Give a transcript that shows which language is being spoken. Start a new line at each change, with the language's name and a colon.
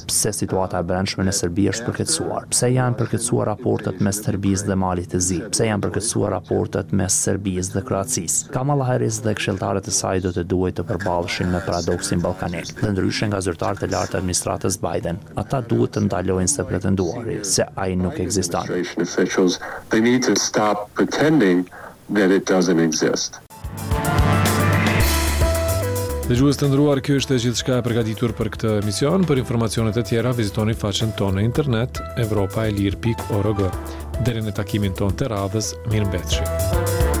Albanian: Pse situata e brendshme në Serbi është përkeqësuar? Pse janë përkeqësuar raportet mes Serbisë dhe Malit të Zi? Pse janë përkeqësuar raportet mes Serbisë dhe Kroacisë? Kamala Harris dhe këshilltarët e saj do të duhet të përballeshin me paradoksin ballkanik. Dhe ndryshe nga zyrtarët e lartë të administratës Biden, ata duhet të ndalojnë se pretenduari se ai nuk ekziston.
English: They need to stop pretending that it doesn't exist.
Albanian: Dëgjues të nderuar, kjo është gjithçka e përgatitur për këtë emision. Për informacionet e tjera, vizitoni faqen tonë në internet europaelir.org. Deri në takimin tonë të radhës, mirëmbetje.